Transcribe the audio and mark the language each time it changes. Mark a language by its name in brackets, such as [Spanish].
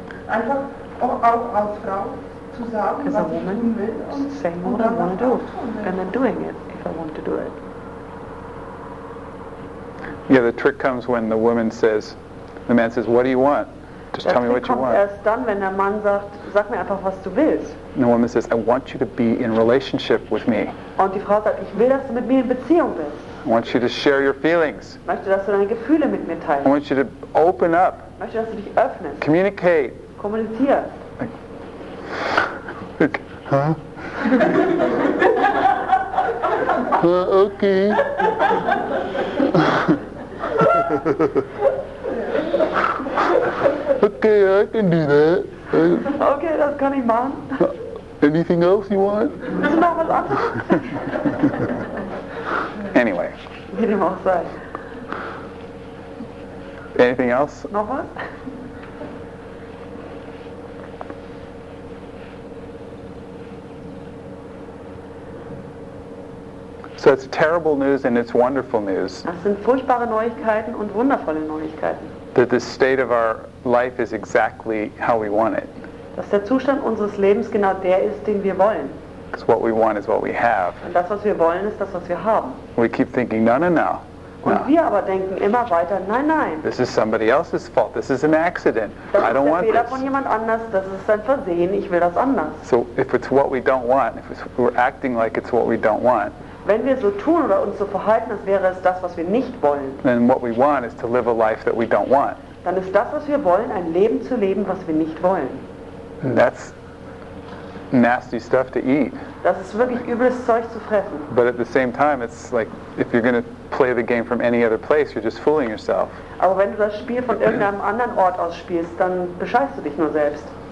[German] Ja. Einfach auch als Frau zu sagen, was ich tun will, [English] saying what I want to do, and then doing it if I want to do it. Yeah, the trick comes when the woman says, the man says, what do you want? Just tell me what you want. [German] Der Trick kommt erst dann, wenn der Mann sagt, sag mir einfach, was du willst. [English] And the woman says, I want you to be in relationship with me. [German] Und die Frau sagt, ich will, dass du mit mir in Beziehung bist. [English] I want you to share your feelings. [German] Möchte, dass du deine Gefühle mit mir teilst. [English] I want you to open up. [German] Möchte, dass du dich öffnest. [English] Communicate. [German] Kommuniziere. [English] Like, huh? okay. okay, I can do that. [German] Okay, das kann ich machen. [English] Anything else you want? [German] Das ist noch was anderes. [English] Anyway. [German] Wie dem auch sei. [English] Anything else? [German] Noch was? [English] So it's terrible news and it's wonderful news. [German] Das sind furchtbare Neuigkeiten und wundervolle Neuigkeiten. [English] That the state of our life is exactly how we want it. [German] Dass der Zustand unseres Lebens genau der ist, den wir wollen. [English] Because what we want is what we have. [German] Und das, was wir wollen, ist das, was wir haben. [English] We keep thinking, no, no, no. [German] Und wir aber denken immer weiter, nein, nein. [English] This is somebody else's fault. This is an accident. I don't want this. [German] Das ist der Fehler von jemand anders. Das ist ein Versehen. Ich will das anders. [English] So if it's what we don't want, if we're acting like it's what we don't want, [German] wenn wir so tun oder uns so verhalten, als wäre es das, was wir nicht wollen, [English] then what we want is to live a life that we don't want. [German] Dann ist das, was wir wollen, ein Leben zu leben, was wir nicht wollen. [English] And that's nasty stuff to eat. [German] Das ist wirklich übles Zeug zu fressen. [English] But at the same time, it's like if you're going to play the game from any other place, you're just fooling yourself. [German] Aber wenn du das Spiel von irgendeinem anderen Ort aus spielst, dann bescheißt du dich nur selbst.